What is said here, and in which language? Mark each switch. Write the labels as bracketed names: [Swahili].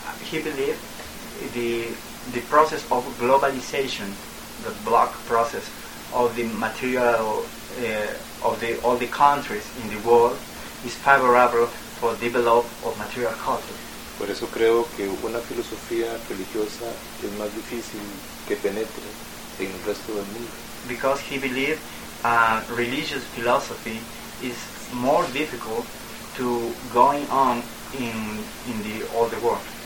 [English] He believed the process of globalization, the block process of the material of all the countries in the world is favorable for develop of material culture. [Spanish] Por eso creo que una filosofía religiosa es más difícil que penetre en el resto del mundo. [English] Because he believed religious philosophy is more difficult to going on in the all the world.